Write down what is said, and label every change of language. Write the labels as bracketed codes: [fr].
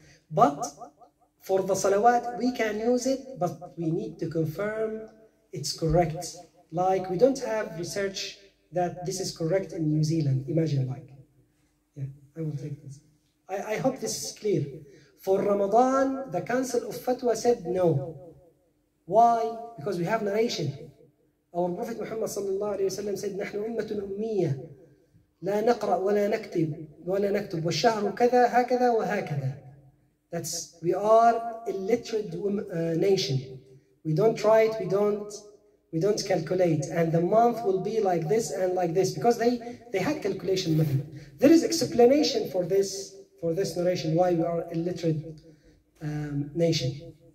[en] But for the salawat, we can use it, but we need to confirm it's correct. Like, we don't have research that this is correct in New Zealand. Imagine, like. Yeah, I will take this. I hope this is clear. For Ramadan, the Council of Fatwa said no. Why? Because we have narration. Our Prophet [ar] Muhammad sallallahu alayhi wa sallam [en] said, [ar] نَحْنُ أُمَّةٌ أُمِّيَّةٌ لَا نَقْرَأْ وَلَا نَكْتُبْ وَالشَّهْرُ كَذَا هَكَذَا وَهَكَذَا. [en] That's, we are illiterate nation. We don't write, we don't calculate. And the month will be like this and like this. Because they had calculation method. There is explanation for this narration, why we are illiterate nation.